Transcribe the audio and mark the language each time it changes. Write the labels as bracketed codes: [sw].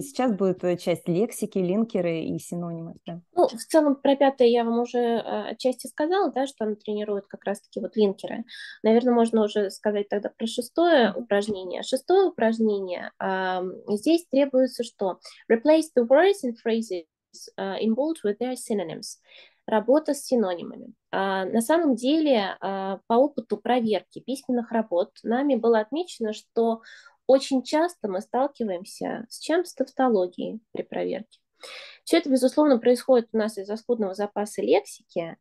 [ru] Сейчас будет часть лексики, линкеры и синонимы. Да. Ну, в целом, про пятое я вам уже отчасти сказала, да, что она тренирует как раз-таки вот линкеры. Наверное, можно уже сказать тогда про шестое упражнение. Шестое упражнение, здесь требуется что? [en] Replace the words and phrases in bold with their synonyms. [ru] Работа с синонимами. На самом деле, по опыту проверки письменных работ нами было отмечено, что очень часто мы сталкиваемся с чем? С тавтологией при проверке. Все это, безусловно, происходит у нас из-за скудного запаса лексики.